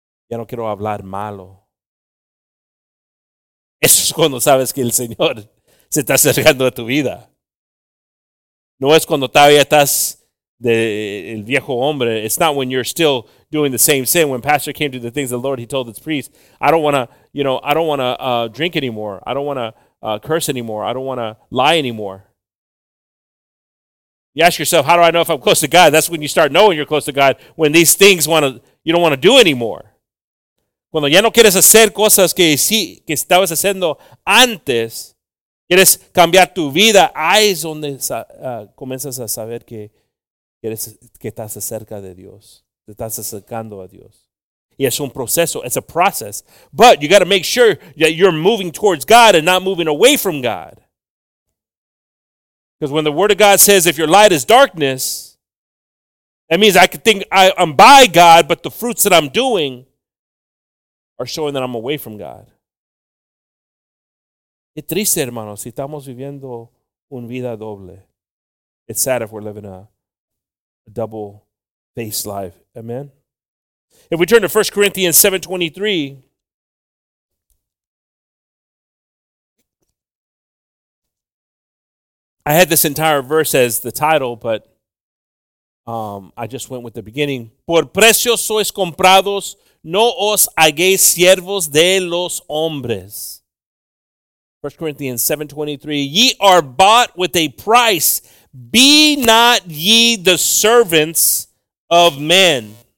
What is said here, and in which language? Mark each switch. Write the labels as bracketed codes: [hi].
[es] Ya no quiero hablar malo. Eso es cuando sabes que el Señor se está acercando a tu vida. No es cuando todavía estás el viejo hombre. [en] It's not when you're still doing the same sin. When pastor came to the things of the Lord, he told his priest, I don't want to drink anymore. I don't want to curse anymore. I don't want to lie anymore. You ask yourself, how do I know if I'm close to God? That's when you start knowing you're close to God. When these things you don't want to do anymore. [es] Cuando ya no quieres hacer cosas que sí, que estabas haciendo antes, quieres cambiar tu vida, ahí es donde comienzas a saber que estás cerca de Dios, te estás acercando a Dios. Y es un proceso. [en] It's a process. But you got to make sure that you're moving towards God and not moving away from God. Because when the Word of God says, if your light is darkness, that means I could think I'm by God, but the fruits that I'm doing are showing that I'm away from God. [es] Qué triste, hermanos, si estamos viviendo una vida doble. [en] It's sad if we're living a double-faced life. Amen? If we turn to 1 Corinthians 7:23, I had this entire verse as the title, but I just went with the beginning. [es] Por precios sois comprados, no os hagáis siervos de los hombres. [en] 1 Corinthians 7:23, ye are bought with a price. Be not ye the servants of men.